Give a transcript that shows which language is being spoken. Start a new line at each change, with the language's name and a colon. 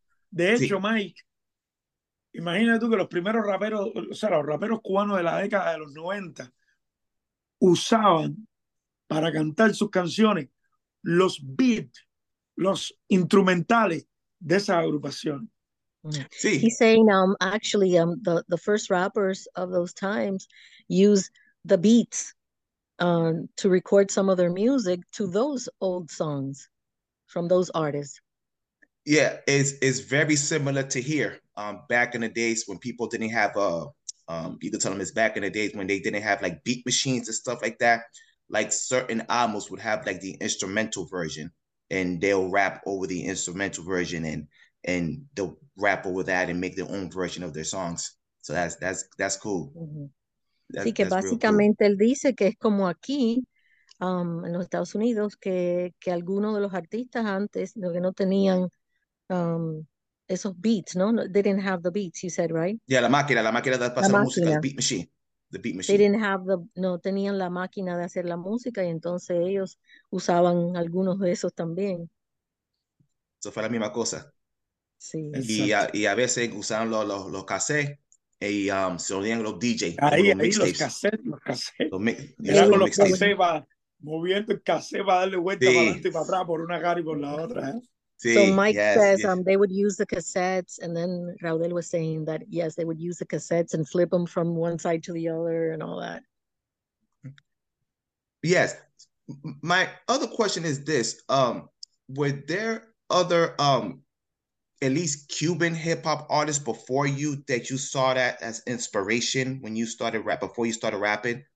Spanish: De hecho, Mike, imagínate tú que los primeros raperos, o sea, los raperos cubanos de la década de los 90 usaban para cantar sus canciones los beats, los instrumentales de esa agrupación. Sí.
English: He's saying the first rappers of those times use the beats to record some of their music to those old songs from those artists. Yeah, it's very similar to here. Back in the days when people didn't have you could tell them it's back in the days when they didn't have like beat machines and stuff like that. Like certain albums would have like the instrumental version, and they'll rap over the instrumental version, and they'll rap over that and make their own version of their songs. So that's cool. Mm-hmm.
Spanish: Así que básicamente cool. Él dice que es como aquí en los Estados Unidos que algunos de los artistas antes lo que no tenían esos beats, ¿no?
English: They didn't have the beats, you said, right?
Spanish: Yeah, la máquina de hacer la música,
English: the beat machine. They didn't have
Spanish: no tenían la máquina de hacer la música y entonces ellos usaban algunos de esos también. Eso fue la misma cosa. Sí, y a veces usaban los cassettes y se olían los DJ. Los cassettes. Moviendo el cassette va a darle vuelta para adelante y para atrás por una cara y por la otra.
English: So Mike says. They would use the cassettes, and then Raudel was saying that yes, they would use the cassettes and flip them from one side to the other and all that. Yes. My other question is this. Were there other at least Cuban hip hop artists before you that you saw that as inspiration when you started rap, before you started rapping?